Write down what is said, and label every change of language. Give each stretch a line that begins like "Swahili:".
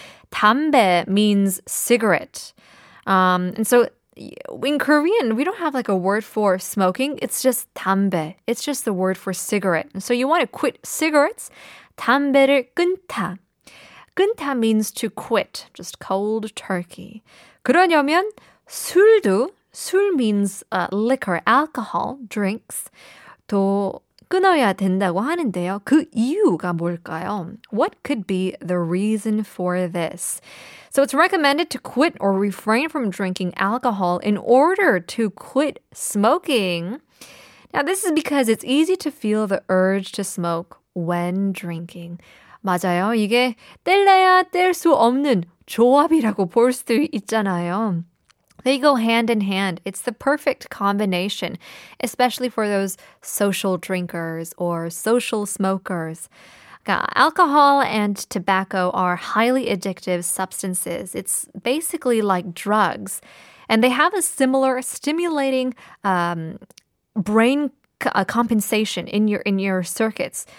English: 담배 means cigarette. And so in Korean, we don't have like a word for smoking. It's just 담배. It's just the word for cigarette. And so you want to quit cigarettes.
Korean: 담배를 끊다.
English: 끊다 means to quit, just cold turkey.
Korean: 그러려면 술도, 술
English: means liquor, alcohol, drinks,
Korean: 또 끊어야 된다고 하는데요. 그 이유가 뭘까요?
English: What could be the reason for this? So it's recommended to quit or refrain from drinking alcohol in order to quit smoking. Now, this is because it's easy to feel the urge to smoke when drinking.
Korean: 맞아요. 이게 뗄래야 뗄 수 없는 조합이라고 볼 수도 있잖아요.
English: They go hand in hand. It's the perfect combination, especially for those social drinkers or social smokers. Alcohol and tobacco are highly addictive substances. It's basically like drugs. And they have a similar stimulating brain compensation in your circuits.